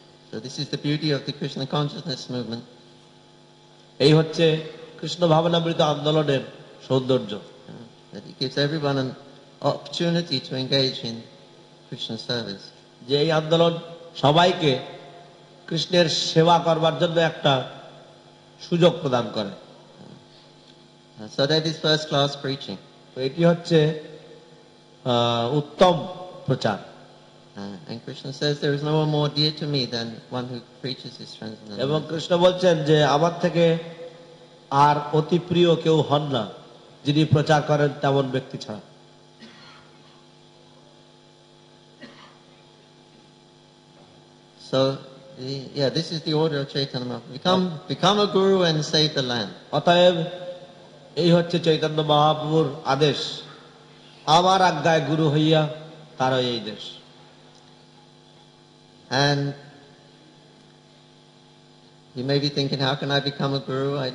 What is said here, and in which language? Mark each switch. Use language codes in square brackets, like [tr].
[en] So this is the beauty of the Krishna consciousness movement. [bn] এই হচ্ছে কৃষ্ণ ভাবনামৃত আন্দোলনের সৌন্দর্য। [en] That it gives everyone an opportunity to engage in Krishna service. [bn] যে এই আন্দোলন সবাইকে কৃষ্ণের সেবা করবার জন্য একটা সুযোগ প্রদান করে। [en] So that is first class preaching. [bn] তো এটি হচ্ছে উত্তম প্রচার। [en] And Krishna says there is no one more dear to me than one who preaches his transcendental. [bn] এবং কৃষ্ণ বলেন যে আমার থেকে আর অতি প্রিয় কেউ হন না যিনি প্রচার করেন তেমন ব্যক্তি ছাড়া। [en] So this is the order of Chaitanya Mahaprabhu. Become a guru and save the land. [bn] অতএব এই হচ্ছে চৈতন্য মহাপ্রভুর আদেশ, আমার আজ্ঞায় গুরু হইয়া তার এই দেশ। [en] And you may be thinking, how can I become a guru?